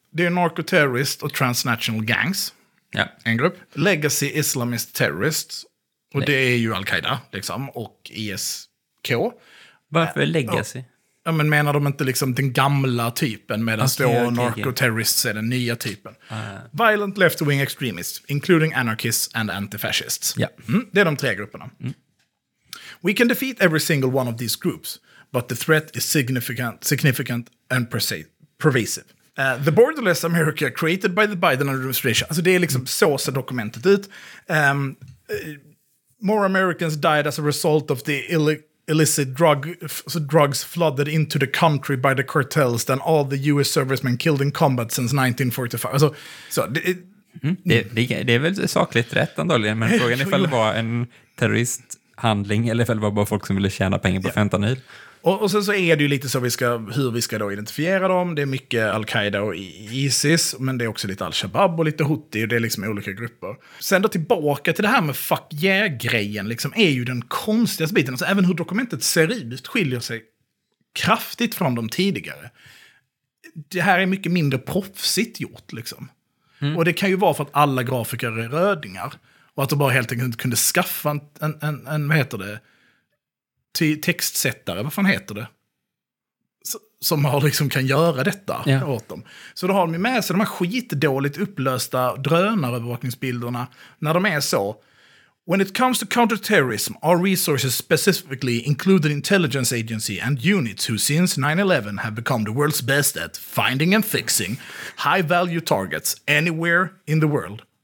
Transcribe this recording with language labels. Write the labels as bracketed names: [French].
[Swedish] Det är narcoterrorist och [English] transnational gangs. [Swedish] Ja. En grupp. Legacy Islamist Terrorists. Och det är ju Al-Qaida liksom. Och ISK. Varför Legacy? Ja, men menar de inte liksom den gamla typen medan narco-terrorists är den nya typen? [English] Violent left-wing extremists, including anarchists and anti-fascists. Yeah. [Swedish] Mm, det är de 3 grupperna. Mm. [English] We can defeat every single one of these groups, but the threat is significant and pervasive. The borderless America created by the Biden administration. [Swedish] Alltså det är liksom så ser dokumentet ut. [English] More Americans died as a result of the illicit drugs flooded into the country by the cartels than all the US servicemen killed in combat since 1945. [Swedish] Alltså, det är väl sakligt rätt antagligen, men frågan ifall det var en terroristhandling eller ifall det var bara folk som ville tjäna pengar på fentanyl. Och sen så är det ju lite så hur vi ska då identifiera dem. Det är mycket Al-Qaida och ISIS, men det är också lite Al-Shabaab och lite Houthi, och det är liksom olika grupper. Sen då tillbaka till det här med fuck yeah-grejen liksom, är ju den konstigaste biten. Alltså även hur dokumentet ser ut skiljer sig kraftigt från de tidigare. Det här är mycket mindre proffsigt gjort liksom. Mm. Och det kan ju vara för att alla grafiker är rödingar och att de bara helt enkelt inte kunde skaffa en vad heter det, textsättare, vad fan heter det? Som har liksom kan göra detta åt dem. Så då har de med sig de här skitdåligt upplösta drönarövervakningsbilderna när de är så. [English] When it comes to counterterrorism, our resources specifically include an intelligence agency and units who since 9/11 have become the world's best at finding and fixing high value targets anywhere in the world.